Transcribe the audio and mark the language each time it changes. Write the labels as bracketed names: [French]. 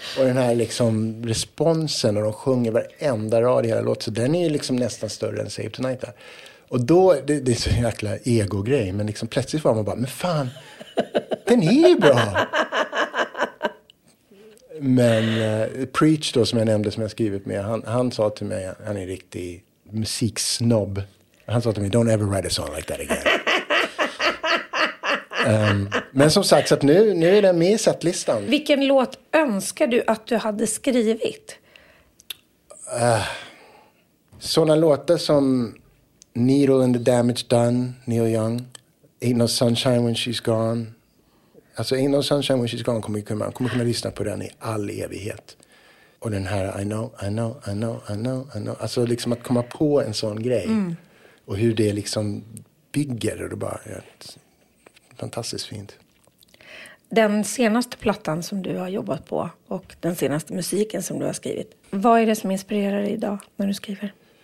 [Swedish] Och den här liksom responsen, och de sjunger varenda rad i hela låt, så den är ju liksom nästan större än Save Tonight där. Och då, det är så jäkla ego-grej, men liksom plötsligt var man bara, men fan, den är ju bra. Men Preach då, som jag nämnde, som jag skrivit med, han sa till mig, han är en riktig musiksnobb. Han sa till mig, [English] don't ever write a song like that again. [Swedish] men som sagt, så att nu är den med i setlistan. Vilken låt önskar du att du hade skrivit? Sådana låtar som Needle and the Damage Done, Neil Young. Ain't No Sunshine When She's Gone. Alltså Ain't No Sunshine When She's Gone, kommer kunna lyssna på den i all evighet. Och den här [English] I know, I know, I know, I know, I know. [Swedish] Alltså liksom att komma på en sån grej. Mm. Och hur det liksom bygger. Och det bara är fantastiskt fint. Den senaste plattan som du har jobbat på och den senaste musiken som du har skrivit. Vad är det som inspirerar dig idag när du skriver?